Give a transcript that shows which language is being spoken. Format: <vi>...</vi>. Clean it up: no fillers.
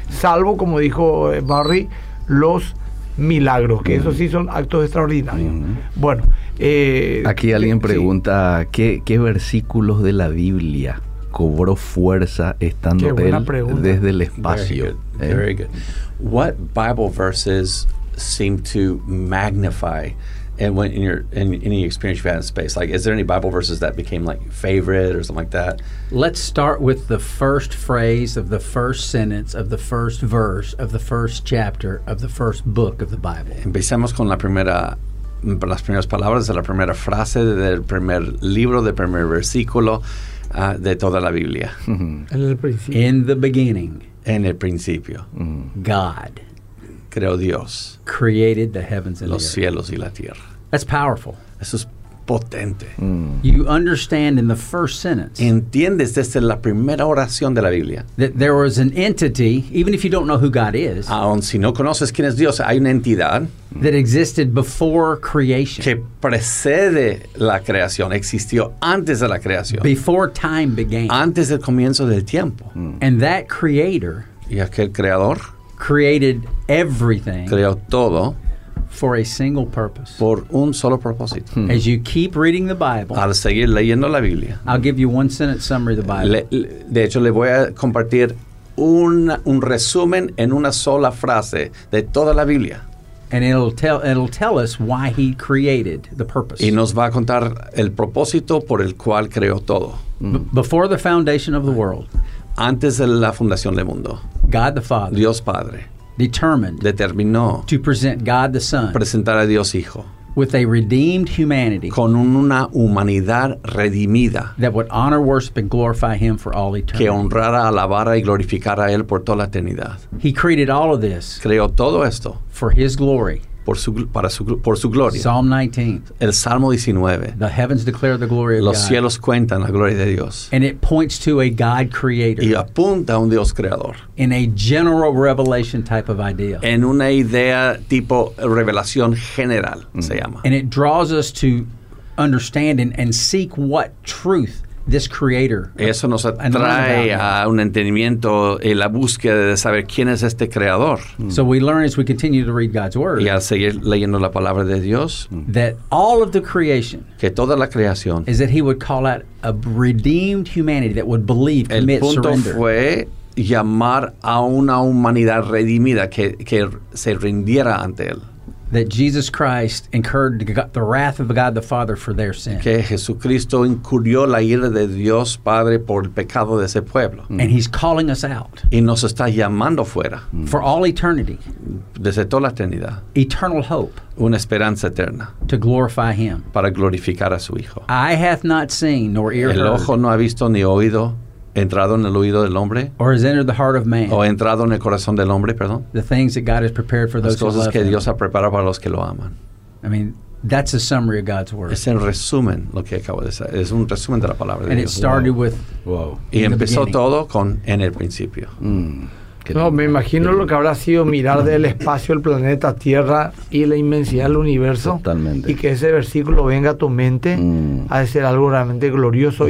<es>Salvo, como dijo Barry, los milagros, que esos sí son actos extraordinarios. Bueno. Aquí alguien pregunta, sí. ¿Qué versículos de la Biblia cobró fuerza estando él desde el espacio?</es> <en>Very good. What Bible verses seem to magnify And when in your in any experience you've had in space, like, is there any Bible verses that became like favorite or something like that? Let's start with the first phrase of the first sentence of the first verse of the first chapter of the first book of the Bible.</en> <es>Empecemos con las primeras palabras de la primera frase del primer libro, del primer versículo de toda la Biblia. En el principio.</es> <en>In the beginning.</en> <es>En el principio.</es> <en>God.</en> <es>Creo Dios.</es> <en>Created the heavens and</en> <es>los</es> <en>the</en> <es>cielos y la tierra.</es> <en>That's powerful.</en> <es>Eso es potente.</es> <en>You understand in the first sentence.</en> <es>Entiendes desde la primera oración de la Biblia.</es> <en>That there was an entity, even if you don't know who God is.</en> <es>Aun si no conoces quién es Dios, hay una entidad.</es> <en>That existed before creation.</en> <es>Que precede la creación, existió antes de la creación.</es> <en>Before time began.</en> <es>Antes del comienzo del tiempo.</es> <en>And that creator.</en> <es>Y aquel creador.</es> <en>Created everything.</en> <es>Creó todo.</es> <en>For a single purpose.</en> <es>Por un solo propósito.</es> <en>As you keep reading the Bible.</en> <es>Al seguir leyendo la Biblia.</es> <en>I'll give you one sentence summary of the Bible.</en> <es>De hecho, le voy a compartir un resumen en una sola frase de toda la Biblia.</es> <en>And it'll tell us why he created the purpose.</en> <es>Y nos va a contar el propósito por el cual creó todo.</es> <en>Before the foundation of the world.</en> <es>Antes de la fundación del mundo.</es> <en>God the Father.</en> <es>Dios Padre.</es> <en>Determined.</en> <es>Determinó.</es> <en>To present God the Son.</en> <es>Presentar a Dios Hijo.</es> <en>With a redeemed humanity.</en> <es>Con una humanidad redimida.</es> <en>That would honor, worship, and glorify him for all eternity.</en> <es>Que honrara, alabara y glorificara a él por toda la eternidad.</es> <en>He created all of this.</en> <es>Creó todo esto.</es> <en>For his glory.</en> <es>Por su gloria.</es> <en>Psalm 19.</en> <es>El Salmo 19.</es> <en>The heavens declare the glory of</en> <es>los</es> <en>God.</en> <es>Los cielos cuentan la gloria de Dios.</es> <en>And it points to a God creator.</en> <es>Y apunta a un Dios creador.</es> <en>In a general revelation type of idea.</en> <es>En una idea tipo revelación general, se llama.</es> <en>And it draws us to understand and seek what truth this creator.</en> <es>Eso nos atrae a un entendimiento y la búsqueda de saber quién es este creador.</es> <en>So we learn as we continue to read God's word.</en> <es>Y al seguir leyendo la palabra de Dios.</es> <en>That all of the creation.</en> <es>Que toda la creación.</es> <en>Is that he would call out a redeemed humanity that would believe, commit, surrender.</en> <es>El punto fue llamar a una humanidad redimida que se rindiera ante él.</es> <en>That Jesus Christ incurred the wrath of God the Father for their sin.</en> <es>Que Jesucristo incurrió la ira de Dios Padre por el pecado de ese pueblo.</es> <en>And he's calling us out.</en> <es>Y nos está llamando fuera.</es> <en>For all eternity.</en> <es>Desde toda la eternidad.</es> <en>Eternal hope.</en> <es>Una esperanza eterna.</es> <en>To glorify him.</en> <es>Para glorificar a su Hijo.</es> <en>Eye hath not seen nor ear heard.</en> <es>El ojo no ha visto ni oído. Entrado en el oído del hombre.</es> <en>Or has entered the heart of man.</en> <es>O entrado en el corazón del hombre, perdón.</es> <en>The things that God has prepared for those who love him.</en> <es>Las cosas que Dios ha preparado para los que lo aman.</es> <en>I mean, that's a summary of God's word.</en> <es>Es el resumen lo que acabo de decir. Es un resumen de la palabra de</es> <en>and</en> <es>Dios.</es> <en>And it started with.</en> <es>Wow. Y empezó todo con en el principio. No, me imagino lo que habrá sido mirar del espacio el planeta Tierra y la inmensidad del universo. Totalmente. Y que ese versículo venga a tu mente ha de ser algo realmente glorioso.</es>